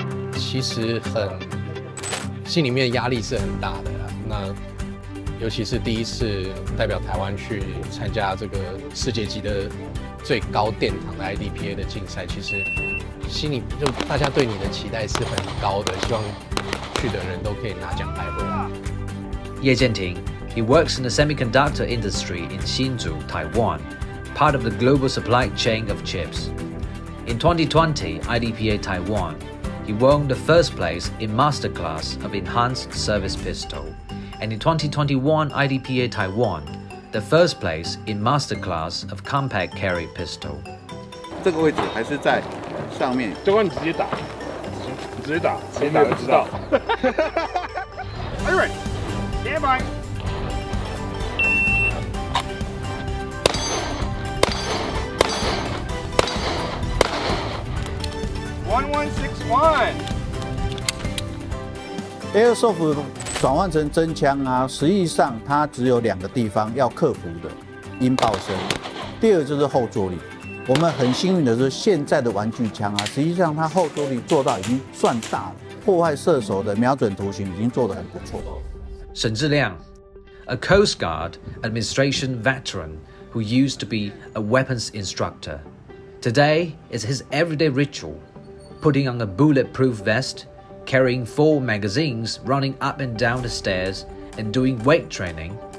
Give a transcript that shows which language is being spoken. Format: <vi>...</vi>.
<zh>其实很，心里面压力是很大的，那尤其是第一次代表台湾去参加这个世界级的最高殿堂的 IDPA 的竞赛，其实。心里就大家对你的期待是很高的，希望去的人都可以拿奖牌回来。</zh> <en>叶建廷 ，He works in the semiconductor industry in Hsinchu, Taiwan, part of the global supply chain of chips. In 2020 IDPA Taiwan, he won the first place in masterclass of enhanced service pistol, and in 2021 IDPA Taiwan, the first place in masterclass of compact carry pistol.</en> <zh>这个位置还是在。上面教官，你直接打，你直接打，直接打就知道。 Aaron， 接板。 1161。 Airsoft 转换成真枪啊，实际上它只有两个地方要克服的：音爆声，第二就是后坐力。我们很幸运的是，现在的玩具枪啊，实际上它后坐力做到已经算大了，破坏射手的瞄准图形已经做得很不错。</zh> <en>沈志亮 ，A Coast Guard Administration veteran who used to be a weapons instructor, today is his everyday ritual, putting on a bulletproof vest, carrying four magazines, running up and down the stairs, and doing weight training.</en>